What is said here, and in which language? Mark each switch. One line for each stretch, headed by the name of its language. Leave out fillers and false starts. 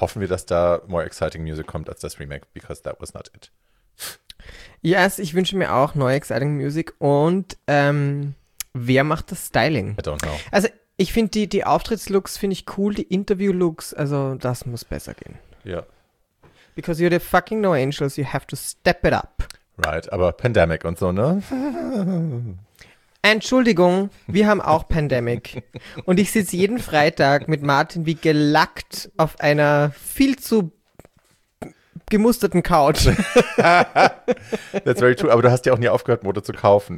German: Hoffen wir, dass da
English: more exciting music
German: kommt als das Remake,
English: because that was not it.
German: Yes, ich wünsche mir auch neue exciting music und wer macht das Styling?
English: I don't know.
German: Also ich finde die Auftrittslooks finde ich cool, die Interviewlooks, also das muss besser gehen. Ja.
English: Because you're the fucking No Angels, you have to step it up.
German: Right, aber Pandemic und so, ne? Entschuldigung, wir haben auch Pandemic. Und ich sitze jeden Freitag mit Martin wie gelackt auf einer viel zu gemusterten Couch.
English: That's very true.
German: Aber du hast ja auch nie aufgehört, Mode zu kaufen.